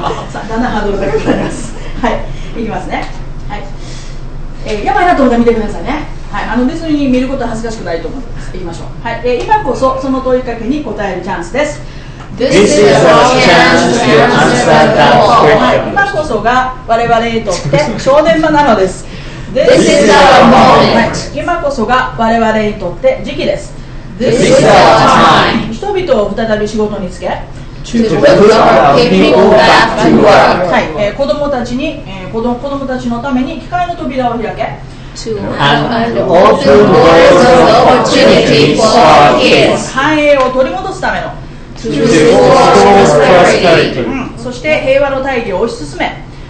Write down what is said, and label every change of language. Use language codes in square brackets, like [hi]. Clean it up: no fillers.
[ja] さあ、だんだんハードルが高くなります。はい、いきますね。はい。やばいなと思ったら見てくださいね。はい、別に見ることは恥ずかしくないと思います。いきましょう。はい、今こそ、その問いかけに答えるチャンスです。 [en] This is our chance to answer that question. [ja] 今こそが我々にとって正念場なのです。 [en] This is our moment. [ja] 今こそが我々にとって時期です。 [en] This is our time. [ja] 人々を再び仕事につけ、 [en] To put our people back to work. [ja] 子供たちに、子供たちのために機械の扉を開け、 [en] to an open world opportunity for our kids. [ja] 繁栄を取り戻すための [en] To restore prosperity. [ja] そして平和の大義を推し進め